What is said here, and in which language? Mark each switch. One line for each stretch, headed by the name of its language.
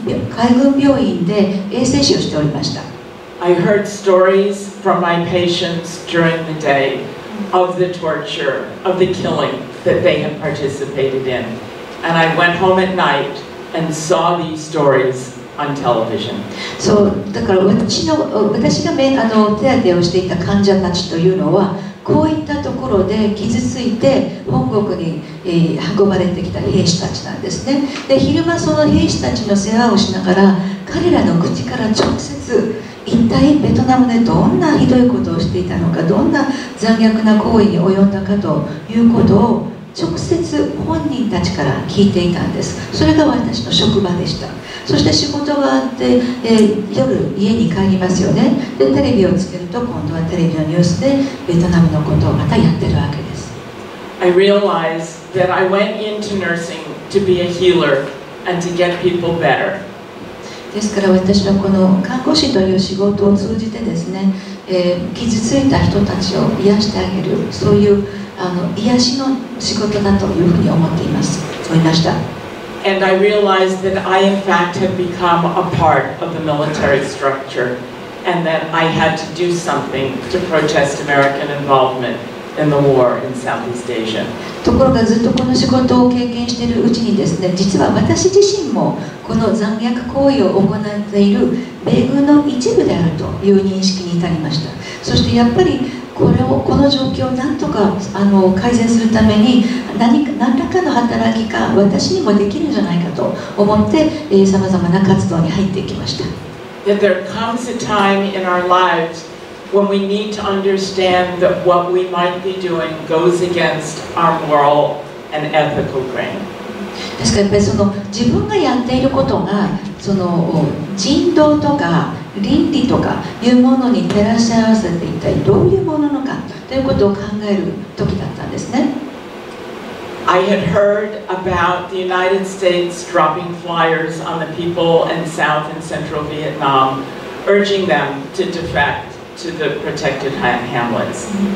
Japanese: 海軍病院で衛生士をしておりました。
English: I heard stories from my patients during the day of the torture, of the killing that they had participated in. And I went home at night and saw these stories on television.
Japanese: そう、だから私が手当てをしていた患者たちというのはこういったところで傷ついて本国に、運ばれてきた兵士たちなんですね。で、昼間その兵士たちの世話をしながら彼らの口から直接一体ベトナムでどんなひどいことをしていたのか、どんな残虐な行為に及んだかということを直接本人たちから聞いていたんです。それが私の職場でした。そして仕事があって、夜家に帰りますよね。でテレビをつけると今度はテレビのニュースでベトナムのことをまたやってるわけです。
English: I realized that I went into nursing to be a healer and to get people better.
Japanese: ですから私はこの看護師という仕事を通じてですね、傷ついた人たちを癒してあげる、そういう癒しの仕事だというふうに思っています。思いました。
English: And I realized that I in fact had become a part of the military structure and that I had to do something to protest American involvement in the war in Southeast Asia.
Japanese: ところがずっとこの仕事を経験しているうちにですね、実は私自身もこの残虐行為を行っている米軍の一部であるという認識に至りました。そしてやっぱりこの状況をなんとか改善するために何らかの働きが私にもできるんじゃないかと思って、さまざまな活動に入ってきました。
English: That there comes a time in our lives when we need to understand that what we might be doing goes against our moral and ethical grain.
Japanese: ですからやっぱりその自分がやっていることがその人道とか倫理とかいうものに照らし合わせて一体どういうものなのかということを考える時だったんですね。
English: I had heard about the United States dropping flyers on the people in South and Central Vietnam, urging them to defect to the protected hamlets.